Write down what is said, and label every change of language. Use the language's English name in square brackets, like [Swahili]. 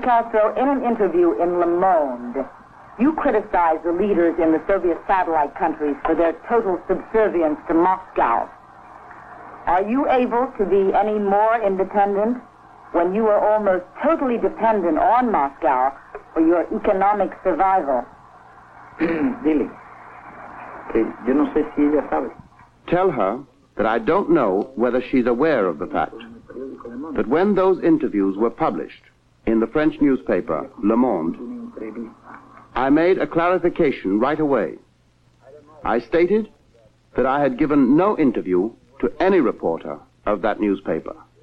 [English] Castro, in an interview in Le Monde, you criticized the leaders in the Soviet satellite countries for their total subservience to Moscow. Are you able to be any more independent when you are almost totally dependent on Moscow for your economic survival? [Spanish] Dile, que yo no sé si ella sabe. [English] Tell her that I don't know whether she's aware of the fact that when those interviews were published in the French newspaper, Le Monde, I made a clarification right away. I stated that I had given no interview to any reporter of that newspaper.